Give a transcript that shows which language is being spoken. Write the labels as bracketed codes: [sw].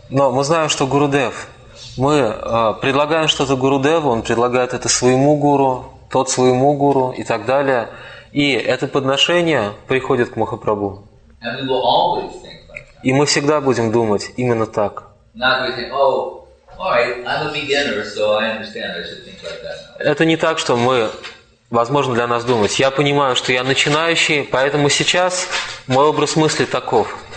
[ru] Но мы знаем, что Гурудев, мы предлагаем что-то Гурудеву, он предлагает это своему гуру, тот своему гуру и так далее, и это подношение приходит к Махапрабху. [en] And we will always think like that. [ru] И мы всегда будем думать именно так. [en] Not we think, oh, all right, I'm a beginner, so I understand I should think like that. [ru] Это не так, что мы возможно для нас думать. Я понимаю, что я начинающий, поэтому сейчас мой образ мысли таков.